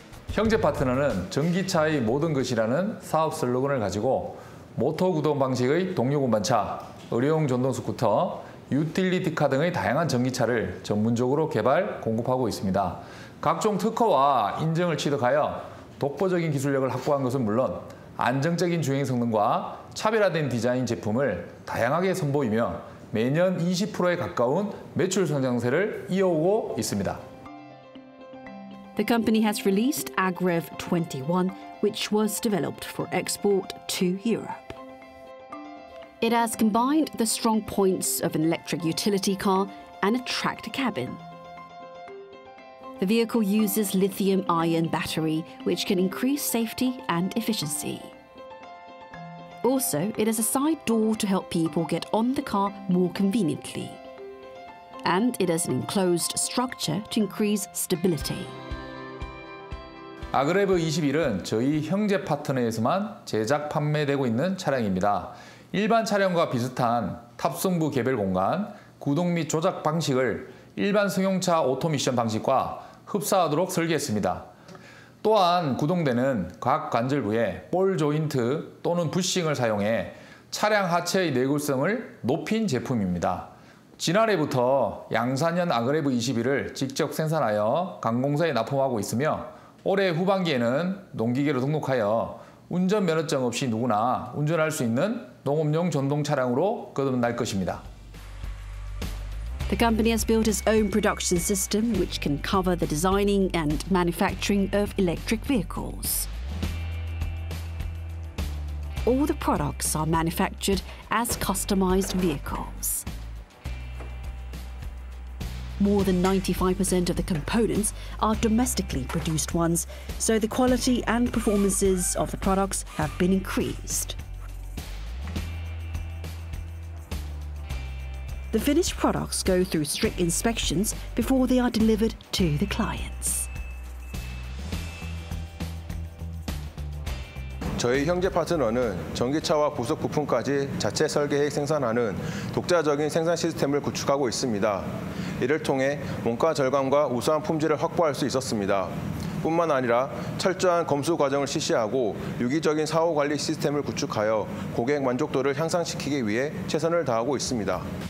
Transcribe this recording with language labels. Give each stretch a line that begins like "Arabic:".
Korean: 형제 파트너는 전기차의 모든 것이라는 사업 슬로건을 가지고 모터 구동 방식의 동력운반차, 의료용 전동스쿠터, 유틸리티카 등의 다양한 전기차를 전문적으로 개발, 공급하고 있습니다. 각종 특허와 인증을 취득하여 독보적인 기술력을 확보한 것은 물론 안정적인 주행 성능과 차별화된 디자인 제품을 다양하게 선보이며 매년 20%에 가까운 매출 성장세를 이어오고 있습니다.
English: The company has released Agrev 21, which was developed for export to Europe. It has combined the strong points of an electric utility car and a tractor cabin. The vehicle uses lithium-ion battery, which can increase safety and efficiency. Also, it has a side door to help people get on the car more conveniently. And it has an enclosed structure to increase stability.
Korean: 아그레브 21은 저희 형제 파트너에서만 제작 판매되고 있는 차량입니다. 일반 차량과 비슷한 탑승부 개별 공간, 구동 및 조작 방식을 일반 승용차 오토미션 방식과 흡사하도록 설계했습니다. 또한 구동대는 각 관절부에 볼 조인트 또는 부싱을 사용해 차량 하체의 내구성을 높인 제품입니다. 지난해부터 양산현 아그레브 21을 직접 생산하여 강공사에 납품하고 있으며 올해 후반기에는 농기계로 등록하여 운전면허증 없이 누구나 운전할 수 있는 농업용 전동 차량으로 거듭날 것입니다.
English: The company has built its own production system which can cover the designing and manufacturing of electric vehicles. All the products are manufactured as customized vehicles. More than 95% of the components are domestically produced ones, so the quality and performances of the products have been increased. The finished products go through strict inspections before they are delivered to the clients.
Korean: 저희 형제 파트너는 전기차와 부속 부품까지 자체 설계해 생산하는 독자적인 생산 시스템을 구축하고 있습니다. 이를 통해 원가 절감과 우수한 품질을 확보할 수 있었습니다. 뿐만 아니라 철저한 검수 과정을 실시하고 유기적인 사후 관리 시스템을 구축하여 고객 만족도를 향상시키기 위해 최선을 다하고 있습니다.